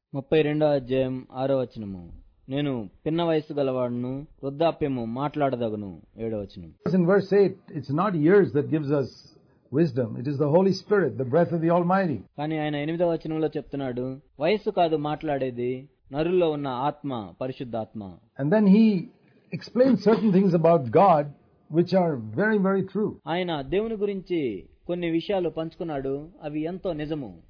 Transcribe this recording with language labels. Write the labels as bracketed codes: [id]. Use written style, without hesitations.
[te] 32వ అధ్యాయం 6వ వచనము, నేను పిన్న వయసు గలవాడను, వృద్ధాప్యము మాట్లాడదగను. 7వ వచనం. [en] In verse 8, it's not years that gives us wisdom, it is the Holy Spirit, the breath of the Almighty. [te] కానీ ఆయన 8వ వచనంలో చెప్తున్నాడు, వయసు కాదు మాట్లాడేది, నరుల్లో ఉన్న ఆత్మ, పరిశుద్ధాత్మ. [en] And then he explains certain things about God which are very very true. [te] ఆయన దేవుని గురించి కొన్ని విషయాలు పంచుకున్నాడు, అవి ఎంతో నిజము.